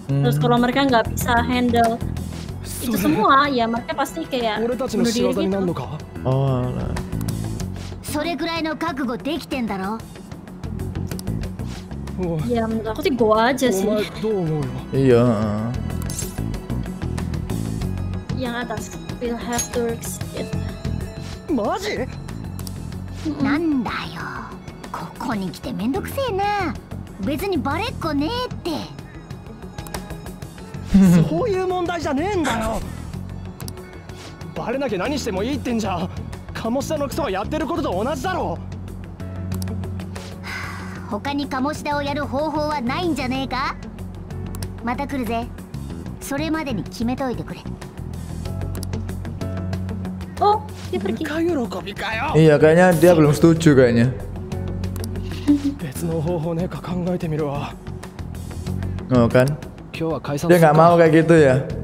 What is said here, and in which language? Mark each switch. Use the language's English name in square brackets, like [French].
[Indonesian] Terus kalau mereka nggak bisa handle itu semua, ya mereka pasti kayak bunuh diri gitu. Oh, [Japanese] それぐらいの覚悟できてんだろ。 [Indonesian] Ya, menurut aku sih gua aja sih. Iya. Yang atas, [English] we'll have to risk it. [Japanese] Maji? なんだよ、ここに来てめんどくせえな。別にバレっこねえって。そういう問題じゃねえんだよ。バレなきゃ何してもいいってんじゃ、鴨志田のクソがやってることと同じだろ。他に鴨志田をやる方法はないんじゃねえか。また来るぜ。それまでに決めといてくれ。お、 [Indonesian] dia pergi. Iya, kayaknya dia belum setuju kayaknya. [Japanese] 別の方法ねか考えてみるわ。 [Indonesian] oh, kan? [Japanese] 今日は解散するか。 [Indonesian] Dia gak mau kayak gitu ya.